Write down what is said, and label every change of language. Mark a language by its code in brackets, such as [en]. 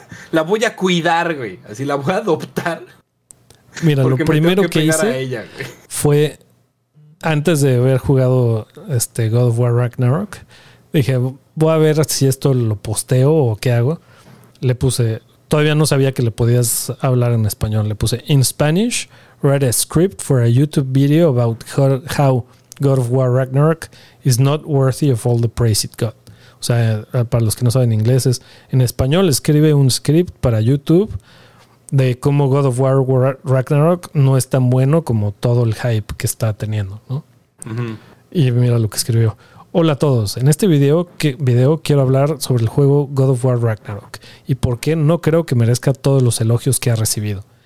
[es] La voy a cuidar, güey. Así la voy a adoptar. Mira, lo primero que hice ella, fue antes de haber jugado God of War Ragnarok. Dije, voy a ver si esto lo posteo o qué hago. Le puse, todavía no sabía que le podías hablar en español. Le puse, [en] in Spanish, write a script for a YouTube video about how God of War Ragnarok is not worthy of all the praise it got. [es] O sea, para los que no saben inglés, es en español, escribe un script para YouTube de cómo God of War Ragnarok no es tan bueno como todo el hype que está teniendo, ¿no? Uh-huh. Y mira lo que escribió. Hola a todos. En este video quiero hablar sobre el juego God of War Ragnarok y por qué no creo que merezca todos los elogios que ha recibido.